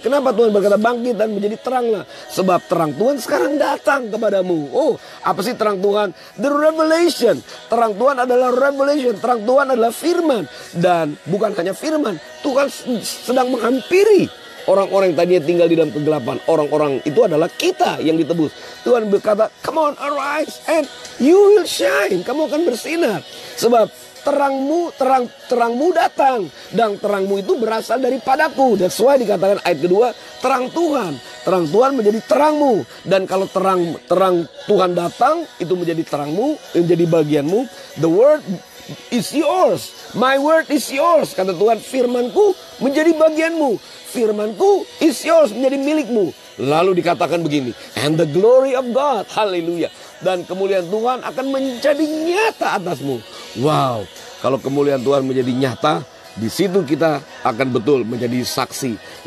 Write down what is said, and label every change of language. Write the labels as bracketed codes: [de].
[id] Kenapa Tuhan berkata, bangkit dan menjadi teranglah? Sebab terang Tuhan sekarang datang kepadamu. Oh, apa sih terang Tuhan? [en] The revelation. [id] Terang Tuhan adalah revelation. Terang Tuhan adalah firman. Dan bukan hanya firman, Tuhan sedang menghampiri orang-orang yang tadinya tinggal di dalam kegelapan. Orang-orang itu adalah kita yang ditebus. Tuhan berkata, [en] come on, arise and you will shine. [id] Kamu akan bersinar. Sebab terangmu datang, dan terangmu itu berasal daripadaku. [en] That's why [id] dikatakan ayat kedua, terang Tuhan menjadi terangmu. Dan kalau terang Tuhan datang, itu menjadi terangmu, menjadi bagianmu. [en] The word is yours, my word is yours, [id] kata Tuhan. Firmanku menjadi bagianmu, firmanku [en] is yours, [id] menjadi milikmu. Lalu dikatakan begini, [en] and the glory of God, [id] haleluya, dan kemuliaan Tuhan akan menjadi nyata atasmu. Wow, kalau kemuliaan Tuhan menjadi nyata, di situ kita akan betul menjadi saksi.